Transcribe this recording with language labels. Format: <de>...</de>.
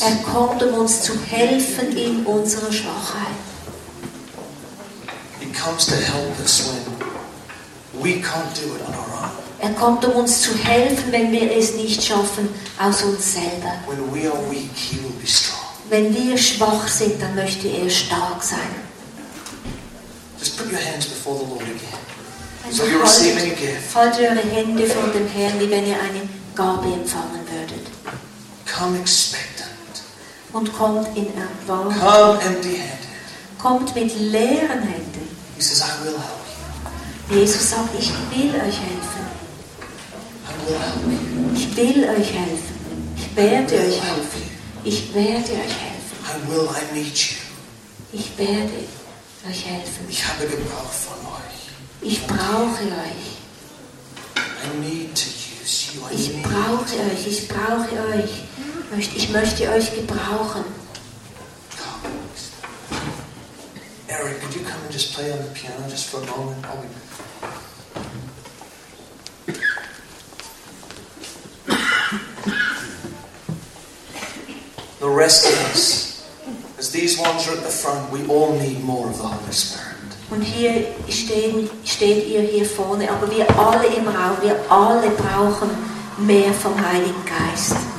<de>Er kommt, um uns zu helfen in unserer Schwachheit.</de> <en>He comes to help us when we can't do it on our own.</en> <de>Er kommt, um uns zu helfen, wenn wir es nicht schaffen aus uns selber.</de> <en>When we are weak, he will be strong.</en> <de>Wenn wir schwach sind, dann möchte er stark sein.</de> <en>Just put your hands before the Lord again. So you're receiving a gift.</en> <de>Haltet eure Hände vor dem Herrn, wie wenn ihr eine Gabe empfangen würdet.</de> <en>Come expectant.</en> <de>Und kommt in Erwartung.</de> <en>Come empty-handed.</en> <de>Kommt mit leeren Händen.</de> <en>He says, I will help you.</en> <de>Jesus sagt, ich will euch helfen.</de> <en>I will help you.</en> <de>Ich will euch helfen. Ich werde euch helfen. Ich werde euch helfen.</de> <en>I will, I need you.</en> <de>Ich werde euch helfen. Ich habe Gebrauch von euch. Ich brauche euch.</de> <en>I need to use you.</en> <de>Ich brauche euch. Ich brauche euch. Ich möchte euch gebrauchen.</de> <en>Oh, Eric, could you come and just play on the piano just for a moment? I'll be... The rest of us, as these ones are at the front, we all need more of the Holy Spirit.</en> <de>Und hier steht ihr hier vorne, aber wir alle im Raum, wir alle brauchen mehr vom Heiligen Geist.</de>